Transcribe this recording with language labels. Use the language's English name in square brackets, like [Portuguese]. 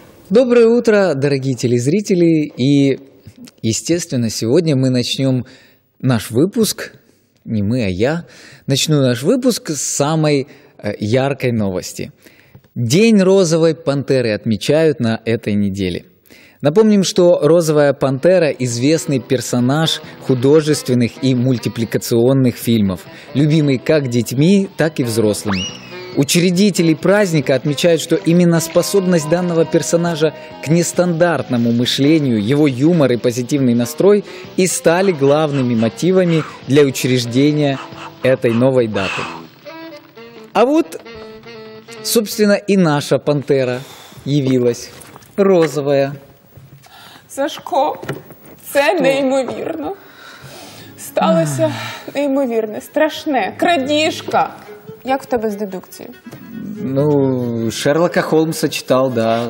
[Russian] Доброе утро, [Ukrainian] дорогі телезрителі, і, естественно, сьогодні ми почнемо наш випуск, не ми, а я, почну наш випуск з [Russian] самой яркой [Ukrainian] новості. День розової пантери відмічають на цій неділі. [Russian] Напомним, что «Розовая пантера» – известный персонаж художественных и мультипликационных фильмов, любимый как детьми, так и взрослыми. Учредители праздника отмечают, что именно способность данного персонажа к нестандартному мышлению, его юмор и позитивный настрой и стали главными мотивами для учреждения этой новой даты. А вот, собственно, и наша пантера явилась – розовая. [Ukrainian] Сашко, це Хто? Неймовірно. Сталося неймовірне, страшне. Крадіжка. Як в тебе з дедукцією? Ну, Шерлока Холмса читав, да.